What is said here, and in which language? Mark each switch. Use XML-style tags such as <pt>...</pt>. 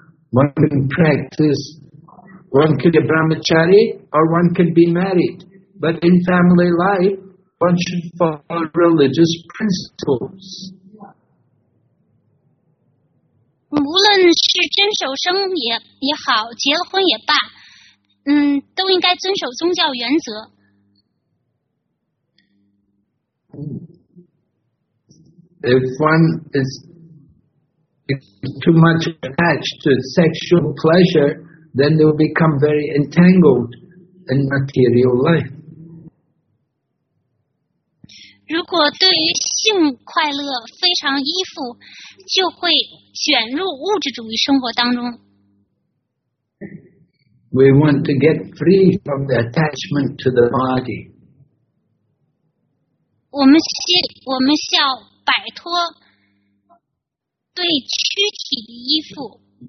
<en>One can practice, one could be brahmachari or one could be married, but in family life, one should follow religious principles.</en> <zh>无论是遵守生也好，结了婚也罢，都应该遵守宗教原则。</zh> <en>If one is too much attached to sexual pleasure, then they will become very entangled in material life.</en> <zh>如果对于性快乐非常依附，就会卷入物质主义生活当中。</zh> <en>We want to get free from the attachment to the body.</en> <zh>我们需要摆脱对躯体的依附。</zh>